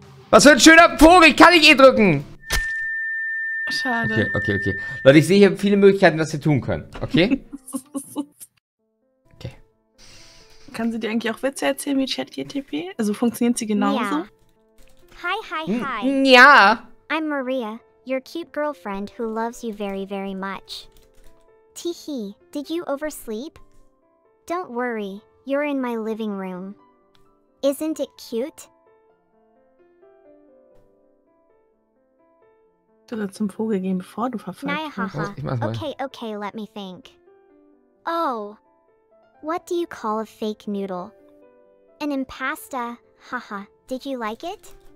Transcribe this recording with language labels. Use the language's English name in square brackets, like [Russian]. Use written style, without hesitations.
[German] Was für ein schöner Vogel, kann ich eh drücken. Schade. Okay. Leute, ich sehe hier viele Möglichkeiten, was wir tun können, okay? Okay. Kann sie dir eigentlich auch Witze erzählen wie ChatGPT? Also funktioniert sie genauso? [English] Hi. [German] Ja. [English] I'm Maria, your cute girlfriend who loves you very, very much. Teehee, did you oversleep? Don't worry, you're in my living room. Isn't it cute? [German] Du sollst zum Vogel gehen, bevor du verfolgt wirst. Naja, [English] okay, let me think. Oh, what do you call a fake noodle? An impasta, haha, did you like it?